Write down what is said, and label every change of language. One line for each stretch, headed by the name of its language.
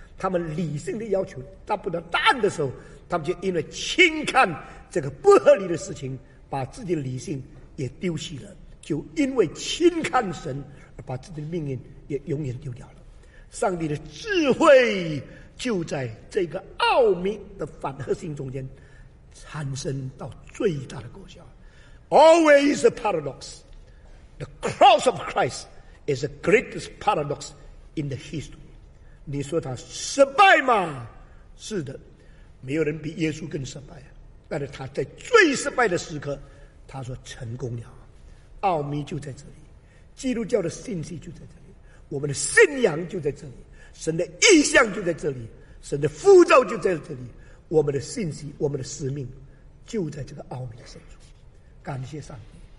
Chinese: 他们理性的要求达不到答案的时候，他们就因为轻看这个不合理的事情，把自己的理性也丢弃了，就因为轻看神而把自己的命运也永远丢掉了。上帝的智慧就在这个奥秘的反合性中间产生到最大的果效。
English: Always a paradox. The cross of Christ is the greatest paradox in the history.
Chinese: 你说他失败吗？是的，没有人比耶稣更失败，但是他在最失败的时刻他说成功了。奥秘就在这里，基督教的信息就在这里，我们的信仰就在这里，神的意象就在这里，神的呼召就在这里，我们的信息，我们的使命就在这个奥秘的深处。感谢上帝。